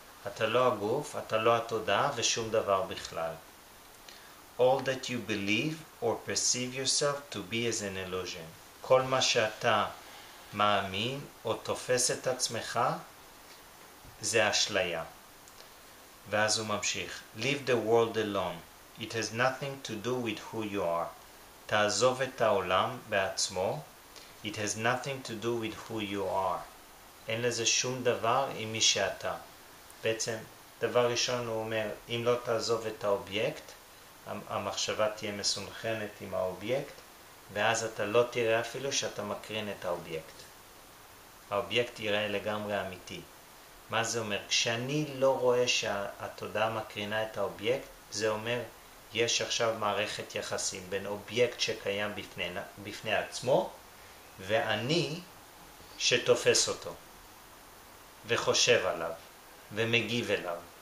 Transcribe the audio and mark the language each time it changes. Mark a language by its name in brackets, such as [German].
[Hebrew] אתה לא הגוף, אתה לא התודעה, ושום דבר בכלל. [English] All that you believe or perceive yourself to be is an illusion. [Hebrew] כל מה שאתה מאמין או תופס את עצמך, זה אשליה. ואז הוא ממשיך. [English] Leave the world alone. It has nothing to do with who you are. [Hebrew] תעזוב את העולם בעצמו. [English] It has nothing to do with who you are. [Hebrew] אין לזה שום דבר עם מי שאתה. בעצם, דבר ראשון הוא אומר, אם לא תעזוב את האובייקט, המחשבה תהיה מסונכנת עם האובייקט, ואז אתה לא תראה אפילו שאתה מקרין את האובייקט. האובייקט יראה לגמרי אמיתי. מה זה אומר? כשאני לא רואה שהתודעה מקרינה את האובייקט, זה אומר, יש עכשיו מערכת יחסים בין אובייקט שקיים בפני עצמו, ואני שתופס אותו, וחושב עליו, ומגיב אליו.